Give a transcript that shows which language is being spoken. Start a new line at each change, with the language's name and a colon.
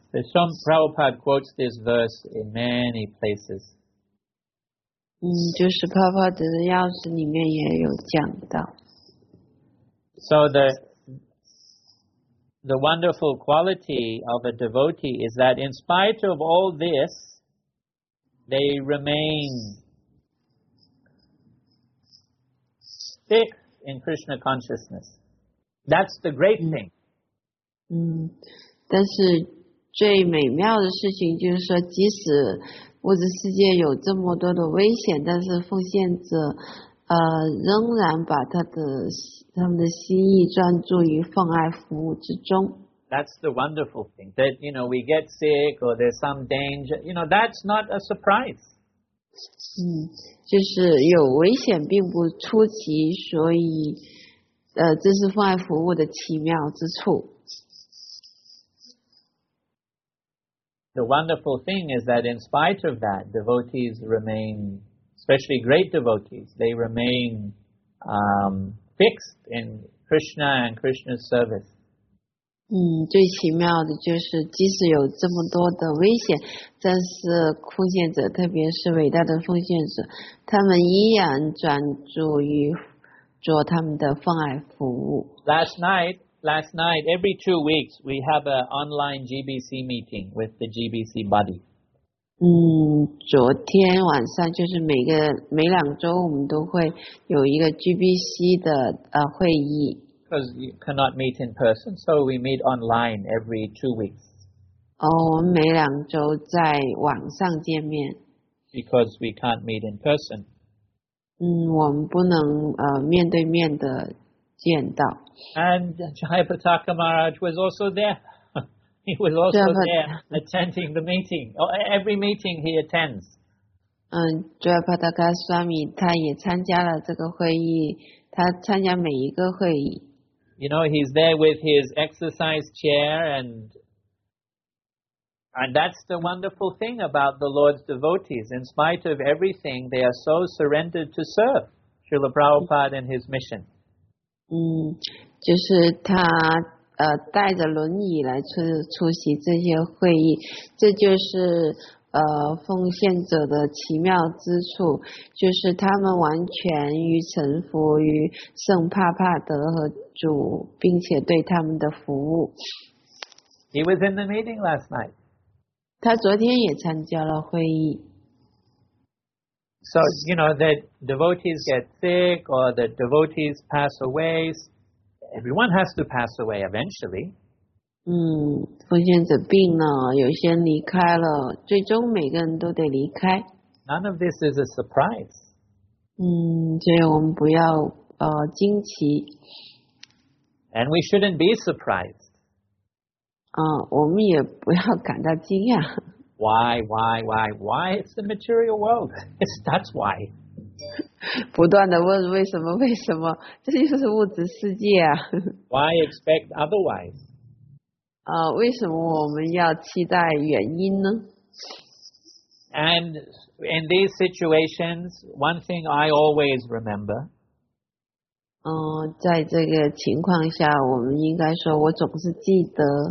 English: There's some Prabhupada quotes this verse in many places.
Chinese: 就是帕帕德的钥匙里面也有讲到。
English: So the wonderful quality of a devotee is that in spite of all this, they remain fixed in Krishna consciousness. That's the great thing.
Chinese: 但是最美妙的事情就是说，即使物质世界有这么多的危险，但是奉献者仍然把他们的心意专注于奉爱服务之中。
English: That's the wonderful thing. That, you know, we get sick or there's some danger. You know, that's not a surprise.
Chinese: 就是有危险并不出奇，所以这是奉爱服务的奇妙之处。
English: The wonderful thing is that in spite of that, devotees remain, especially great devotees, they remain fixed in Krishna and Krishna's service.
Chinese: 最奇妙的就是即使有这么多的危险，但是奉献者，特别是伟大的奉献者，他们依然专注于做他们的奉爱服务。
English: Last night, every 2 weeks, we have an online GBC meeting with the GBC body.
Chinese: 昨天晚上就是每两周我们都会有一个 GBC 的会议。
English: Because you cannot meet in person, so we meet online every 2 weeks.
Chinese: 我们每两周在网上见面。
English: Because we can't meet in person.
Chinese: 我们不能面对面的见到。
English: And Jai Pataka Maharaj was also there. He was also there attending the meeting. Every meeting he attends.
Chinese: Jai Pataka Swami, 他也参加了这个会议，他参加每一个会议。
English: You know, he's there with his exercise chair and that's the wonderful thing about the Lord's devotees. In spite of everything, they are so surrendered to serve Srila Prabhupada and his mission.
Chinese: 就是他带着轮椅来出席这些会议，这就是奉献者的奇妙之处，就是他们完全于臣服于圣帕帕德和主，并且对他们的服务。
English: He was in the meeting last night.
Chinese: 他昨天也参加了会议。
English: So, you know, the devotees get sick or the devotees pass away. Everyone has to pass away eventually.
Chinese: 奉献者病了，有些人离开了，最终每个人都得离开。
English: None of this is a surprise.
Chinese: 所以我们不要惊奇。
English: And we shouldn't be surprised.
Chinese: 我们也不要感到惊讶。
English: Why? It's the material world. That's why.
Chinese: 不断地问为什么为什么这就是物质世界啊。
English: Why expect otherwise?
Chinese: 为什么我们要期待原因呢？
English: And in these situations, one thing I always remember.
Chinese: 在这个情况下，我们应该说，我总是记得。